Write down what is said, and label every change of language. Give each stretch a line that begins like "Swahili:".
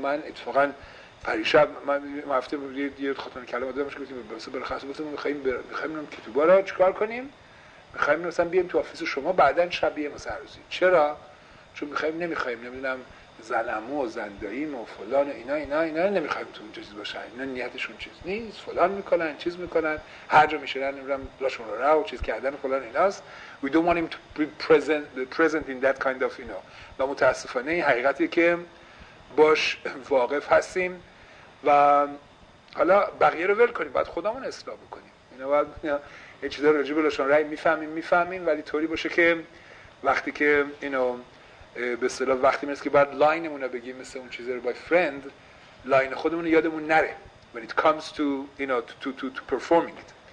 Persian: من اتفاقا پریشب من هفته یه خاطر کلام دادم که گفتیم بس برخاست گفتم می‌خوایم اینا کتابا رو چیکار کنیم، می‌خوایم اینا مثلا بیام تو آفیس شما بعدن شب بیام مثلا روزی. چرا؟ چون می‌خوایم نمی‌خوایم نمی‌دونم زلمو و زنداییم و فلان و اینا نمی‌خوایم تو اونجا چیز باشه، اینا نیتشون چیز نیست، فلان می‌کنن چیز می‌کنن هر جا میشنن نمی‌دونم لاشون رو راو چیز کردن فلان ایناست.
English: We don't want him to be present in that kind of, you know.
Persian: و متاسفانه این حقیقتی که باش واقف هستیم و حالا بقیه رو ول کنیم، باید خودمون اصلاح بکنیم. اینا باید یه چیزا راجع به لاشون رای میفهمیم ولی طوری باشه که وقتی که اینو به اصطلاح وقتی میرسه که باید لاینمون رو بگیم مثل اون چیزی رو با فرند، لاین خودمون رو یادمون نره
English: when it comes to, you know, to performing it.